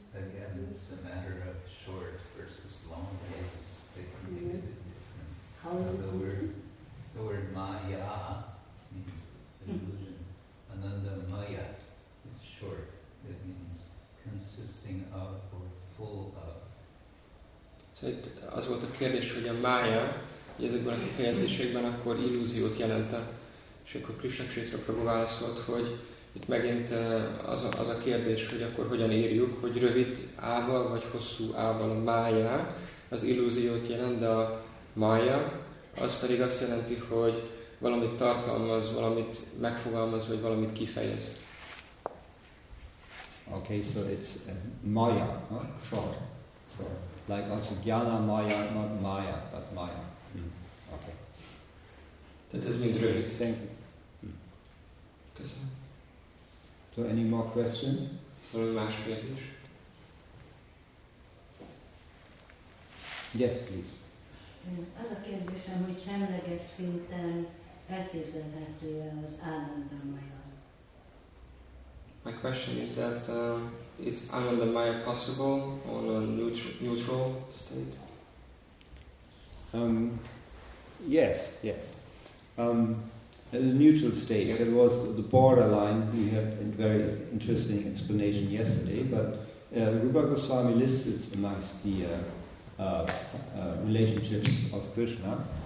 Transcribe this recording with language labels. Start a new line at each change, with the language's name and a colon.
English: Again, it's a matter of short versus long ways. They can make a difference. How is it? The word Maya means illusion. Ananda Maya is short. It means consisting of or full of.
Hungarian: Itt az volt a kérdés, hogy a mája, hogy ezekben a kifejezésekben akkor illúziót jelente. És akkor Krisna Csaitanya Prabhu válaszolt, hogy itt megint az a kérdés, hogy akkor hogyan írjuk, hogy rövid ával vagy hosszú ával a mája az illúziót jelent, de a mája az pedig azt jelenti, hogy valamit tartalmaz, valamit megfogalmaz, vagy valamit kifejez.
English: Okay, so it's mája, huh? Short. Like also jnana maya, not maya, but maya. Okay. That has been great. Thank you.
Hungarian: Köszönöm.
English: So any more question?
Hungarian: Valami más kérdés?
English: Yes, please.
Hungarian: Az a kérdésem, hogy semleges szinten elképzelhető-e az ananda maya?
English: My question is that is ananda maya possible on a neutral state? Yes. In a neutral state, yeah. There was the borderline. We had a very interesting explanation yesterday, but Rupa Goswami lists it amongst the relationships of Krishna.